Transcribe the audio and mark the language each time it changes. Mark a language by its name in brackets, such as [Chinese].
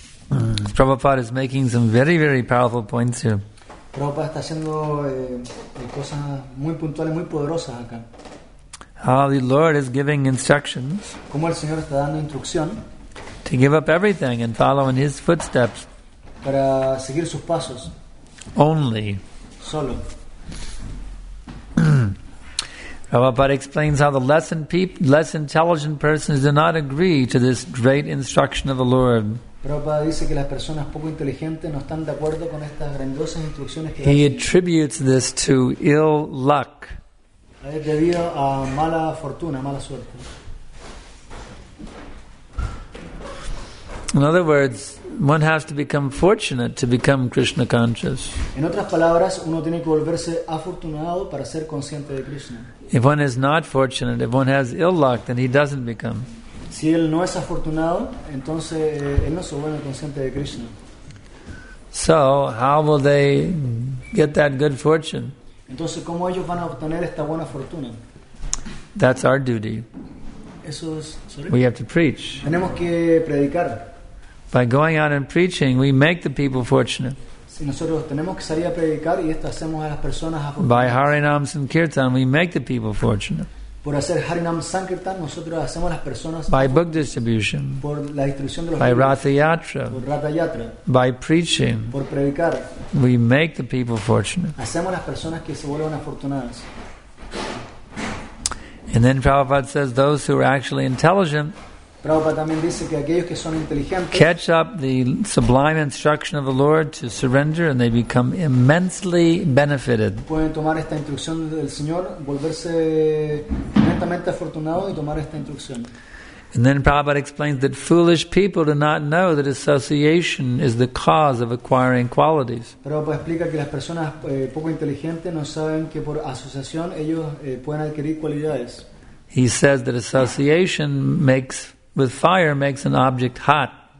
[English] Prabhupada is making some very, very powerful points here. [Spanish] Prabhupada está haciendo cosas muy puntuales, muy poderosas acá. [English] How the Lord is giving instructions. [Spanish] Como el Señor está dando instrucción. [English] To give up everything and follow in his footsteps. [Spanish] Para seguir sus pasos. [English] Only. [Spanish] Solo. [English] Prabhupada explains how the less intelligent persons do not agree to this great instruction of the Lord. [Spanish] Prabhupada dice que las personas poco inteligentes no están de acuerdo con estas grandiosas instrucciones que [English] he attributes this to ill luck. [Spanish] Es debido a mala fortuna, mala suerte. [English] In other words, one has to become fortunate to become Krishna conscious. [Spanish] En otras palabras, uno tiene que volverse afortunado para ser consciente de Krishna. [English] If one is not fortunate, if one has ill luck, then he doesn't become. [Spanish] Si él no es afortunado, entonces él no se vuelve consciente de Krishna. [English] So, how will they get that good fortune? [Spanish] Entonces, ¿cómo ellos van a obtener esta buena fortuna? [English] That's our duty. [Spanish] Eso es, [English] sorry. We have to preach. [Spanish] Tenemos que predicar. [English] By going out and preaching, we make the people fortunate. [Spanish] Si nosotros tenemos que salir a predicar y esto hacemos a las personas afortunadas. [English] By Harinam Sankirtan, we make the people fortunate. [Spanish] Por hacer Harinam Sankirtan, nosotros hacemos a las personas. [English] By book distribution. [Spanish] Por la distribución de los libros. [English] By Rathayatra. [Spanish] Por Rathayatra. [English] By preaching. [Spanish] Por predicar. [English] We make the people fortunate. [Spanish] Hacemos a las personas que se vuelvan afortunadas. [English] And then Prabhupada says those who are actually intelligent catch up the sublime instruction of the Lord to surrender and they become immensely benefited. [Spanish] Pueden tomar esta instrucción del Señor, volverse inmensamente afortunados y tomar esta instrucción. [English] And then Prabhupada explains that foolish people do not know that association is the cause of acquiring qualities. [Spanish] Prabhupada explica que las personas poco inteligentes no saben que por asociación ellos pueden adquirir cualidades. [English] He says that association makes with fire makes an object hot.